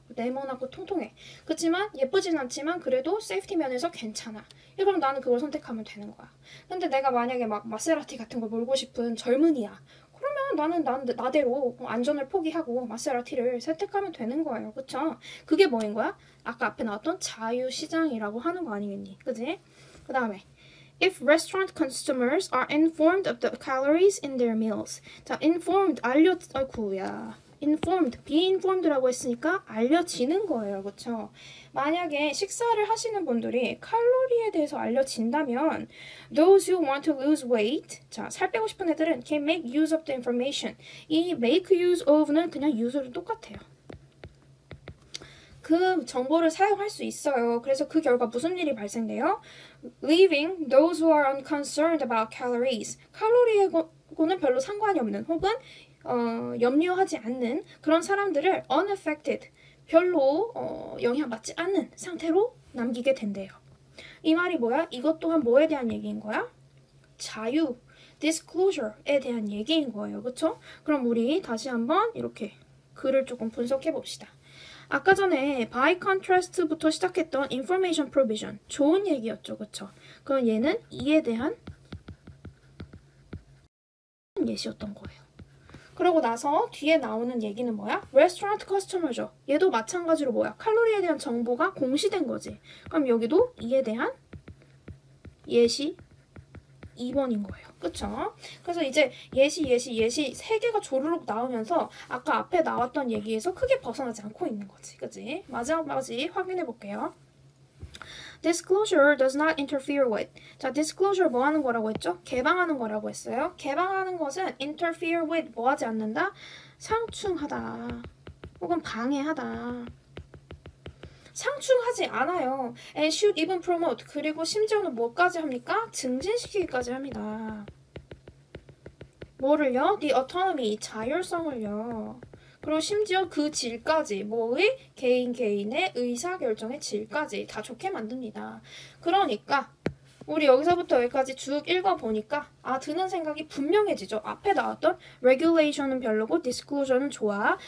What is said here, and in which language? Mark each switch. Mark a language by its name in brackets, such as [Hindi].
[Korean] 네모나고 통통해. 그렇지만 예쁘진 않지만 그래도 세이프티 면에서 괜찮아. 그럼 나는 그걸 선택하면 되는 거야. 근데 내가 만약에 막 마세라티 같은 걸 몰고 싶은 젊은이야. 그러면 나는 나대로 안전을 포기하고 마세라티를 선택하면 되는 거예요. 그쵸? 그게 뭐인 거야? 아까 앞에 나왔던 자유시장이라고 하는 거 아니겠니? 그지? [English] 그 다음에 If restaurant consumers are informed of the calories in their meals. [Korean] 자, informed, 알려, 아이쿠야. informed, be informed라고 했으니까 알려지는 거예요. 그쵸? 만약에 식사를 하시는 분들이 칼로리에 대해서 알려진다면, [English] those who want to lose weight, [Korean] 자, 살 빼고 싶은 애들은 [English] can make use of the information. [Korean] 이 make use of는 그냥 use를 똑같아요. 그 정보를 사용할 수 있어요. 그래서 그 결과 무슨 일이 발생돼요? [English] Leaving those who are unconcerned about calories. [Korean] 칼로리에 거는 별로 상관이 없는 혹은 염려하지 않는 그런 사람들을 unaffected, 별로 영향받지 않는 상태로 남기게 된대요. 이 말이 뭐야? 이것 또한 뭐에 대한 얘기인 거야? 자유, disclosure에 대한 얘기인 거예요. 그쵸? 그럼 우리 다시 한번 이렇게 글을 조금 분석해 봅시다. 아까 전에 by contrast부터 시작했던 information provision 좋은 얘기였죠, 그쵸? 그럼 얘는 이에 대한 예시였던 거예요. 그러고 나서 뒤에 나오는 얘기는 뭐야? restaurant customer죠. 얘도 마찬가지로 뭐야? 칼로리에 대한 정보가 공시된 거지. 그럼 여기도 이에 대한 예시 2번인 거예요. 그쵸? 그래서 이제 예시, 예시, 예시 세 개가 조르륵 나오면서 아까 앞에 나왔던 얘기에서 크게 벗어나지 않고 있는 거지. 그치? 마지막까지 확인해 볼게요. [English] Disclosure does not interfere with. [Korean] 자, disclosure 뭐 하는 거라고 했죠? 개방하는 거라고 했어요. 개방하는 것은 interfere with 뭐 하지 않는다? 상충하다. 혹은 방해하다. 상충하지 않아요. [English] And should even promote. [Korean] 그리고 심지어는 뭐까지 합니까? 증진시키기까지 합니다. 뭐를요? [English] The autonomy, 자율성을요. [Korean] 그리고 심지어 그 질까지, 뭐의? 개인 개인의 의사결정의 질까지 다 좋게 만듭니다. 그러니까 우리 여기서부터 여기까지 쭉 읽어보니까 아, 드는 생각이 분명해지죠. 앞에 나왔던 regulation은 별로고 disclosure는 좋아.